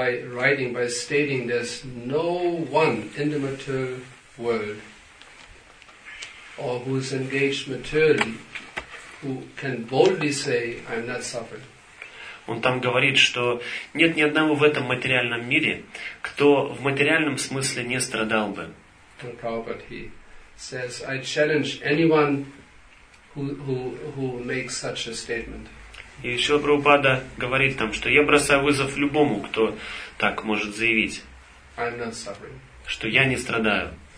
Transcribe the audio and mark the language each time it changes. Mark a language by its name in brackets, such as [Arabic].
[English] By stating there's no one in the material world or who's engaged materially who can boldly say I'm not suffering. [Russian] Он там говорит, что нет ни одного в этом материальном мире, кто в материальном смысле не страдал бы. [English] And Prabhupada, he says, I challenge anyone who makes such a statement. [Russian] И Шрила Прабхупада говорит там, что я бросаю вызов любому, кто так может заявить, что я не страдаю.